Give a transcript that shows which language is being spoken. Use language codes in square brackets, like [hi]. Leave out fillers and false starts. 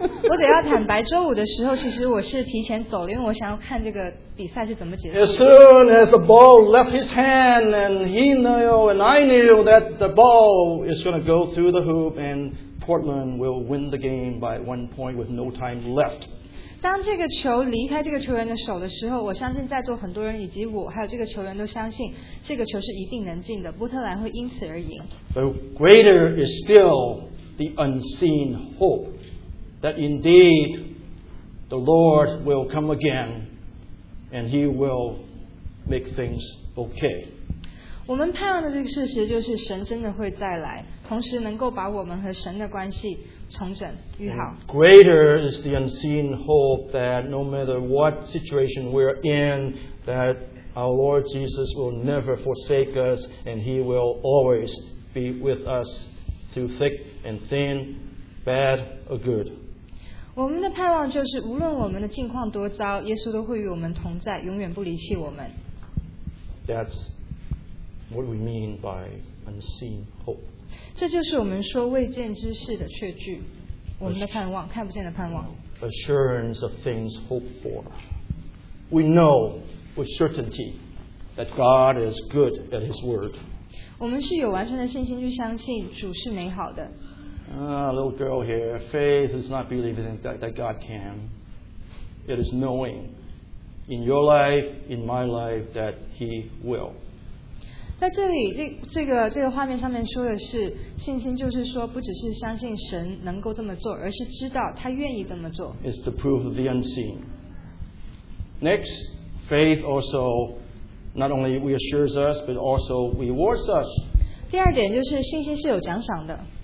[zh] 我得要坦白，周五的时候，其实我是提前走了，因为我想要看这个比赛是怎么结束的。 [en] As soon as the ball left his hand, and he knew, and I knew that the ball is going to go through the hoop, and Portland will win the game by one point with no time left. [zh] 当这个球离开这个球员的手的时候，我相信在座很多人以及我还有这个球员都相信，这个球是一定能进的，波特兰会因此而赢。 [en] But greater is still. The unseen hope that indeed the Lord will come again and he will make things okay. [zh] 我们盼望的这个事实就是神真的会再来，同时能够把我们和神的关系重整愈好。 [en] And greater is the unseen hope that no matter what situation we're in, that our Lord Jesus will never forsake us and He will always be with us through thick and thin, bad or good. [zh] 我们的盼望就是无论我们的境况多糟，耶稣都会与我们同在，永远不离弃我们。 [en] That's what we mean by unseen hope. [zh] 这就是我们说未见之事的确据，我们的盼望，看不见的盼望。 [en] Assurance of things hoped for. We know with certainty that God is good at His word. [zh] 我们是有完全的信心去相信主是美好的。 [en] Little girl here, faith is not believing that God can. It is knowing in your life, in my life, that He will. [zh] 在这里，这个画面上面说的是，信心就是说，不只是相信神能够这么做，而是知道他愿意这么做。 [en] It's the proof of the unseen. Next, faith also not only reassures us, but also rewards us. [zh] 第二点就是信心是有奖赏的。